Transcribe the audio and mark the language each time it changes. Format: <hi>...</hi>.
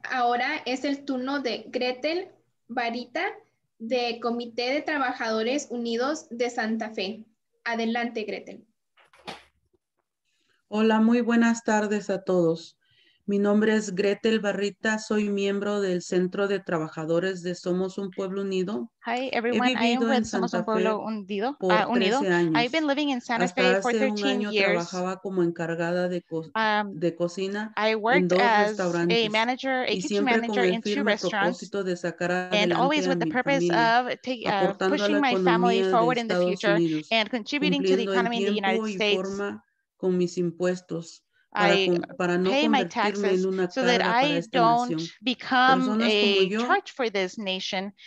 <es>Ahora es el turno de Gretel Barita, de Comité de Trabajadores Unidos de Santa Fe. Adelante, Gretel. Hola, muy buenas tardes a todos. Mi nombre es Gretel Barita, soy miembro del Centro de Trabajadores de Somos Un Pueblo Unido.</es> <en>Hi, everyone.</en> <es>He vivido en Santa Fe por 13 años.</es> <en>I've been living in Santa Fe for 13 years.</en> <es>Hasta hace un año trabajaba como encargada de cocina en dos restaurantes.</es> <en>I worked as a kitchen manager in two restaurants. And always with the purpose of pushing my family forward in the future and contributing to the economy in the United States.</en> <es>Cumpliendo en tiempo y forma con mis impuestos.</es> <en>I pay my taxes so that I don't become a charge for this nation.</en>